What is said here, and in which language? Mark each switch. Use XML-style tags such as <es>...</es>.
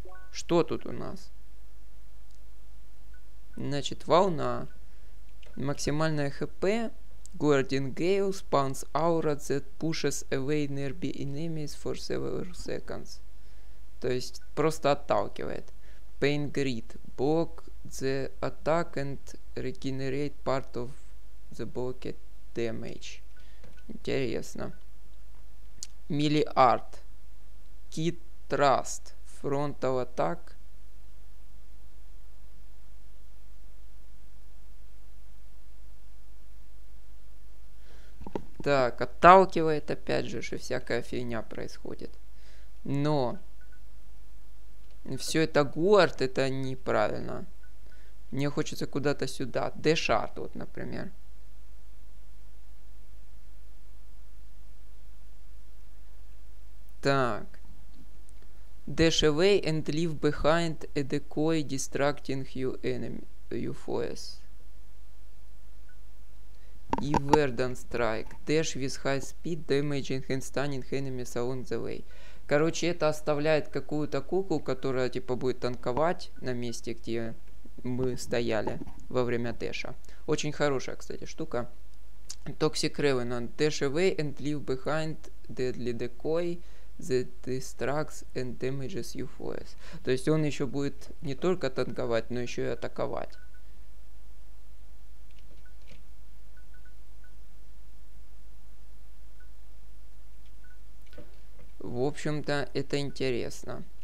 <ru>Что тут у нас? Значит, волна. Максимальная ХП.</ru> <en>Guardian Gale spawns aura that pushes away nearby enemies for several seconds.</en> <ru>То есть, просто отталкивает.</ru> <en>Pain Grid. Block the attack and regenerate part of the blocked damage.</en> <ru>Интересно. Миллиард.</ru> <en>Kit Trust. Frontal attack.</en> <ru>Так, отталкивает опять же, что всякая фигня происходит. Но... Все это гуард, это неправильно. Мне хочется куда-то сюда. Дешарт, вот, например. Так.</ru> <en>Dash away and leave behind a decoy distracting you enemy, you foes. И Verdant Strike. Dash with high speed, damaging and stunning enemies along the way.</en> <ru>Короче, это оставляет какую-то куклу, которая, типа, будет танковать на месте, где мы стояли во время Дэша. Очень хорошая, кстати, штука.</ru> <en>Toxic Revenant. Dash away and leave behind deadly decoy that destructs and damages you forest.</en> <ru>То есть он еще будет не только танковать, но еще и атаковать. В общем-то, это интересно.</ru>